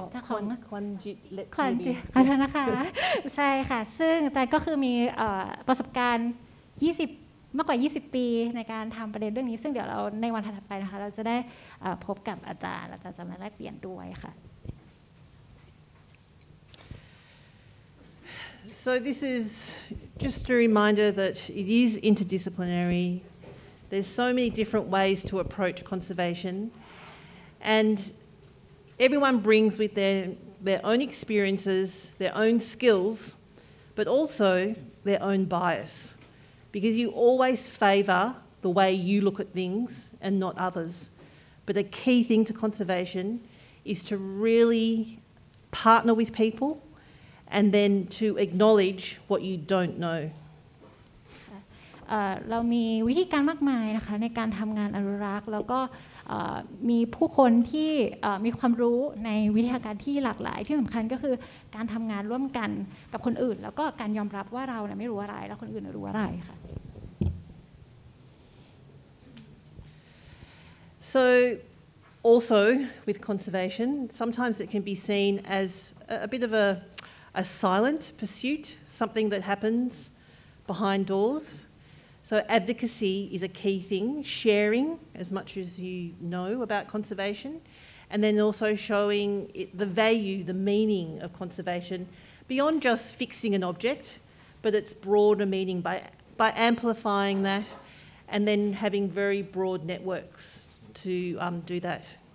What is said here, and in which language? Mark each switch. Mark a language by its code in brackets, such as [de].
[th] ท่านของควันจิตเล็ก ทีขอโทษนะคะใช่ค่ะซึ่งแต่ก็คือมีประสบการณ์20มากกว่า20ปีในการทำประเด็นเรื่องนี้ซึ่งเดี๋ยวเราในวันถัดไปนะคะเราจะได้พบกับอาจารย์และอาจารย์จะมาแลกเปลี่ยนด้วยค่ะ [en] So this is just a reminder that it is interdisciplinary, There's so many different ways to approach conservation, and everyone brings with their own experiences, their own skills, but also their own bias, because you always favour the way you look at things and not others. But a key thing to conservation is to really partner with people and then to acknowledge what you don't know. [th] เรามีวิธีการมากมายนะคะในการทำงานอนุรักษ์แล้วก็มีผู้คนที่มีความรู้ในวิทยาการที่หลากหลายที่สำคัญก็คือการทำงานร่วมกันกับคนอื่นแล้วก็การยอมรับว่าเราเนี่ยไม่รู้อะไรแล้วคนอื่นรู้อะไรค่ะ [en] So also with conservation sometimes it can be seen as a bit of a silent pursuit, something that happens behind doorsSo advocacy is a key thing, sharing as much as you know about conservation, and then also showing it, the value, the meaning of conservation, beyond just fixing an object, but its broader meaning by amplifying that, and then having very broad networks to do that.